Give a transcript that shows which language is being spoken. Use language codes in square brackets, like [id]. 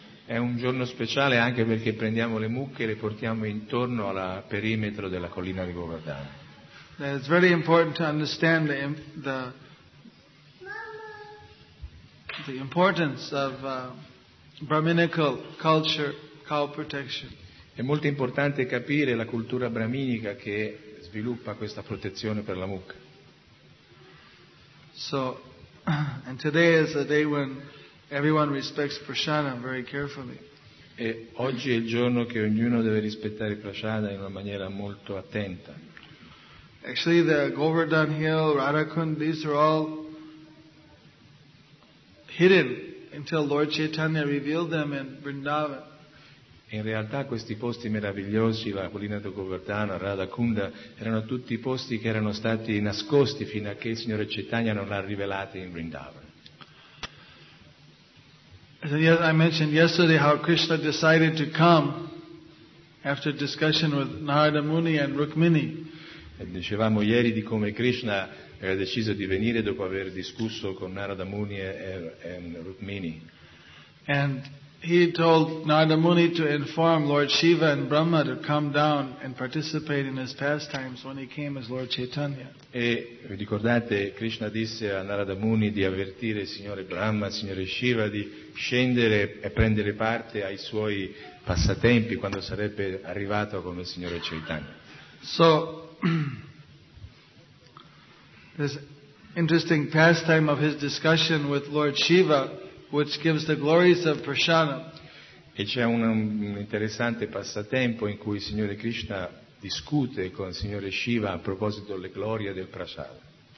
[it] È un giorno speciale anche perché prendiamo le mucche e le portiamo intorno al perimetro della collina di Govardhan. [en] It's very important to understand the importance of Brahminical culture, cow protection. [it] È molto importante capire la cultura brahminica che sviluppa questa protezione per la mucca. [en] So, and today is a day when everyone respects prasadam very carefully. [it] E oggi è il giorno che ognuno deve rispettare prasadam in una maniera molto attenta. [en] Actually, the Govardhan Hill, Radhakund, these are all hidden until Lord Chaitanya revealed them in Vrindavan. [it] In realtà, questi posti meravigliosi, la collina di Govardhana, Radhakunda, erano tutti posti che erano stati nascosti fino a che il Signore Chaitanya non l'ha rivelati in Vrindavan. [en] Yes, I mentioned yesterday how Krishna decided to come after discussion with Narada Muni and Rukmini. [it] E dicevamo ieri di come Krishna ha deciso di venire dopo aver discusso con Narada Muni e Rukmini. [en] And he told Narada Muni to inform Lord Shiva and Brahma to come down and participate in his pastimes when he came as Lord Chaitanya. [it] E ricordate, Krishna disse a Narada Muni di avvertire il signore Brahma, il signore Shiva di scendere e prendere parte ai suoi passatempi quando sarebbe arrivato come signore Chaitanya. [en] So this interesting pastime of his discussion with Lord Shiva, which gives the glories of prasadam. [it] E c'è un interessante passatempo in cui il Signore Krishna discute con il Signore Shiva a proposito delle glorie del prasadam.